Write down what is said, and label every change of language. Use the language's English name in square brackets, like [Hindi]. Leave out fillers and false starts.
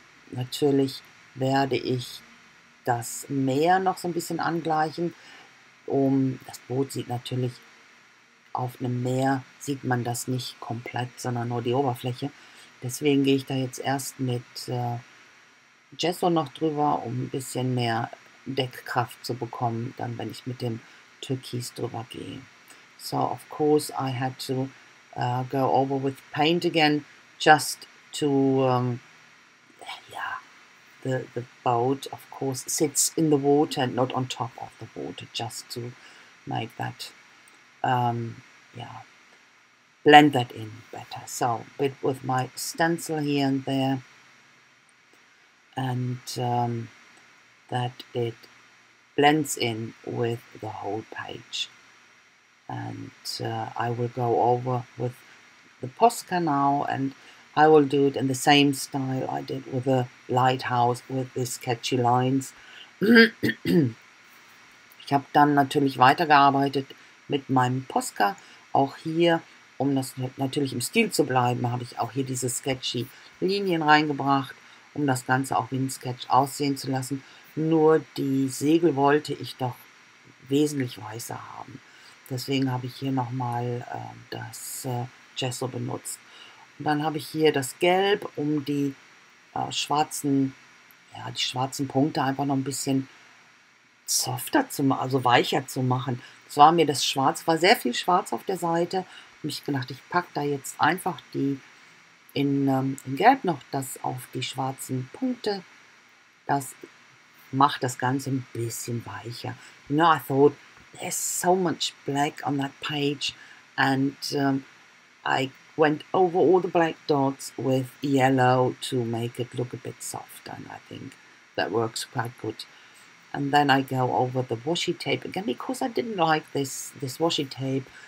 [German] Natürlich werde ich das Meer noch so ein bisschen angleichen, um das Boot sieht natürlich auf einem Meer sieht man das nicht komplett, sondern nur die Oberfläche. Deswegen gehe ich da jetzt erst mit Gesso noch drüber, um ein bisschen mehr Deckkraft zu bekommen, dann wenn ich mit dem Türkis drüber gehe. [English] So, of course, I had to go over with paint again, just to the boat, of course, sits in the water and not on top of the water, just to make that, blend that in better. So, bit with my stencil here and there, and that it blends in with the whole page. And I will go over with the Posca now, and I will do it in the same style I did with the lighthouse with the sketchy lines. [German] Ich habe dann natürlich weitergearbeitet mit meinem Posca. Auch hier, um das natürlich im Stil zu bleiben, habe ich auch hier diese sketchy Linien reingebracht, um das Ganze auch wie ein Sketch aussehen zu lassen. Nur die Segel wollte ich doch wesentlich weißer haben. Deswegen habe ich hier nochmal das Gesso benutzt. Und dann habe ich hier das Gelb, um die schwarzen Punkte einfach noch ein bisschen softer zu machen, also weicher zu machen. Es war mir das Schwarz, war sehr viel Schwarz auf der Seite. Und ich gedacht, ich packe da jetzt einfach die in Gelb noch das auf die schwarzen Punkte. Das macht das Ganze ein bisschen weicher. [English] I thought, there's so much black on that page. And I went over all the black dots with yellow to make it look a bit softer. And I think that works quite good. And then I go over the washi tape again because I didn't like this washi tape.